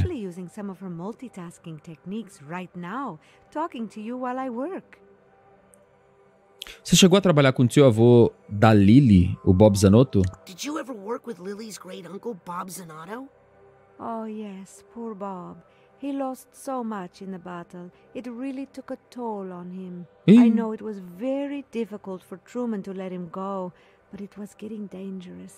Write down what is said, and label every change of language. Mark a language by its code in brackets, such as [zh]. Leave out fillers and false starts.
[en] I'm actually using some of her multitasking techniques right now, talking to you while I work. [pt] Você chegou a trabalhar com o tio avô da Lily, o Bob Zanotto? [en] Did you ever work with Lily's great uncle, Bob Zanotto? Oh, yes, poor Bob. He lost so much in the battle. It really took a toll on him. I know it was very difficult for Truman to let him go, but it was getting dangerous.